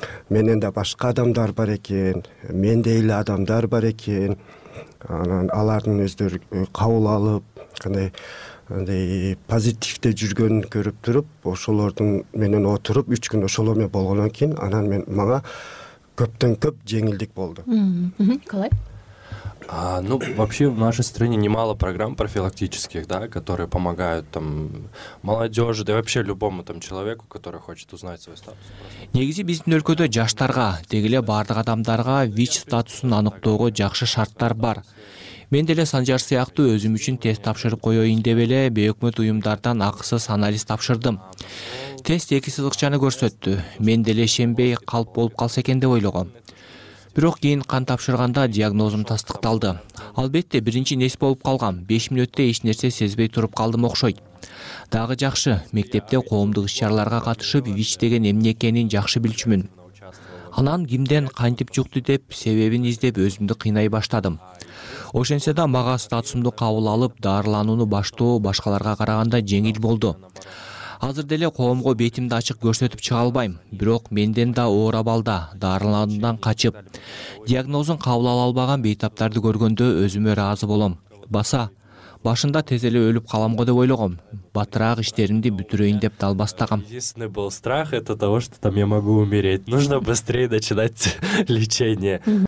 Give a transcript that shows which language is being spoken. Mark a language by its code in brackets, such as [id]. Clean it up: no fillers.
[ky] Менен да башка адамдар бар экен, мендей эле адамдар бар экен. Анан алардын өздөрү кабыл алып, кандай позитивде жүргөнүн көрүп туруп, ошолордун менен отуруп 3 күн ошоло менен болгондон кийин, анан мен мага көптөн көп жеңилдик болду. Калай? [ru] Вообще в нашей стране немало программ профилактических, да, которые помогают там молодежи, да и вообще любому там человеку, который хочет узнать свой статус. [ky] Негизи биздин өлкөдө жаштарга, деги эле бардык адамдарга вич статусун аныктоого жакшы шарттар бар. Мен деле Санжар сыяктуу өзүм үчүн тест тапшырып коёюн деп эле бейөкмөт уюмдардан акысыз анализ тапшырдым. Тест эки сызыкчаны көрсөттү. Мен деле ишенбей калп болуп калса экен деп ойлогом. Бирок кийин кан тапшырганда диагнозум тастыкталды. Албетте, биринчи нес болуп калгам, 5 мүнөттө эч нерсе сезбей туруп калдым окшойт. Дагы жакшы, мектепте коомдук иш-чараларга катышып, вич деген эмне экенин жакшы билчүмүн. Анан кимден кантип жукту деп себебин издеп өзүмдү кыйнай баштадым. Ошентсе да мага статусумду кабыл алып, дарыланууну баштоо башкаларга караганда жеңил болду. Азыр деле коомго бетимди ачык көрсөтүп чыга албайм, бирок менден да оор абалда, дарылануудан качып, диагнозун кабыл ала албаган бейтаптарды көргөндө өзүмө ыраазы болом. Баса, башында тез эле өлүп калам го деп ойлогом. Батыраак иштеримди бүтүрөйүн деп далбастагам. [ru] Единственный был страх это того, что там я могу умереть. Нужно быстрее начинать лечение.